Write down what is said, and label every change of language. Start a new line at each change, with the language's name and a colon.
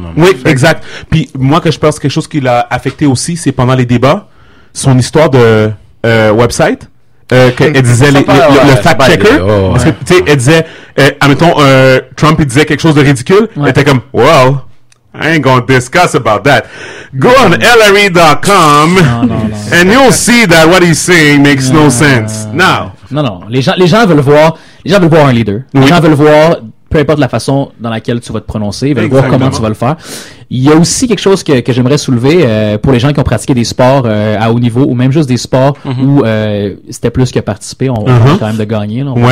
French: Oui, exact. Puis moi, que je pense, quelque chose qui l'a affecté aussi, c'est pendant les débats, son histoire de website, qu'elle disait le fact-checker. Ouais. Parce que, tu sais, elle disait, admettons, Trump, il disait quelque chose de ridicule. Ouais. Elle était comme,
English: well, I ain't gonna discuss about that. Go on Hillary.com and you'll see that what he's saying makes no sense. Now.
French: Non. Les gens veulent voir un leader. Les, oui, gens veulent voir, peu importe la façon dans laquelle tu vas te prononcer, ils veulent, exactement, voir comment tu vas le faire. Il y a aussi quelque chose que j'aimerais soulever pour les gens qui ont pratiqué des sports à haut niveau, ou même juste des sports, mm-hmm, où c'était plus que participer, on, mm-hmm, on a quand même de gagner, là, on,